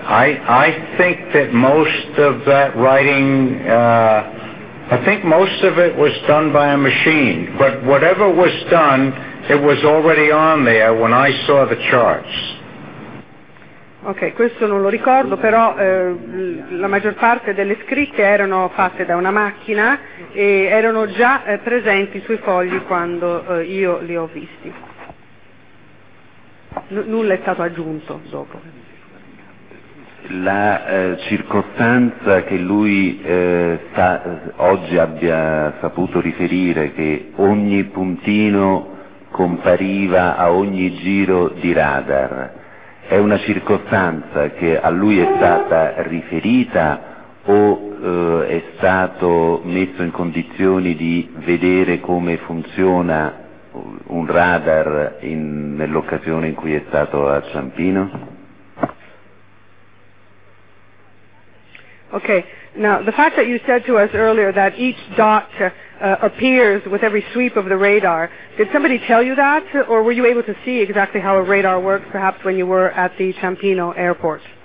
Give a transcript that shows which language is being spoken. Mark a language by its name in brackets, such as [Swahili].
[English] I think that most of that writing, I think most of it was done by a machine. But whatever was done, it was already on there when I saw the charts. [Italian] Ok, questo non lo ricordo, però la maggior parte delle scritte erano fatte da una macchina e erano già presenti sui fogli quando io li ho visti. Nulla è stato aggiunto dopo. La circostanza che lui oggi abbia saputo riferire che ogni puntino compariva a ogni giro di radar, è una circostanza che a lui è stata riferita o è stato messo in condizioni di vedere come funziona un radar nell'occasione in cui è stato a Ciampino? [English] Ok, now the fact that you said to us earlier that each dot appears with every sweep of the radar, did somebody tell you that or were you able to see exactly how a radar works perhaps when you were at the Ciampino airport?